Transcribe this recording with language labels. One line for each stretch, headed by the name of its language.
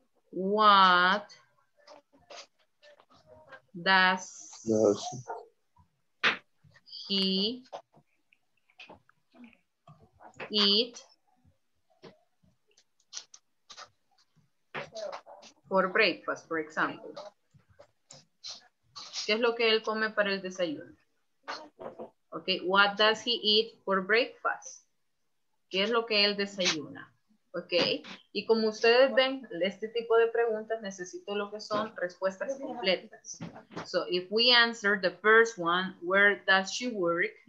English: What does he eat for breakfast, for example?
Spanish: ¿Qué es lo que él come para el desayuno? Okay,
English: what does he eat for breakfast?
Spanish: ¿Qué es lo que él desayuna? Ok, y como ustedes ven, este tipo de preguntas necesito lo que son respuestas completas.
English: So, if we answer the first one, where does she work?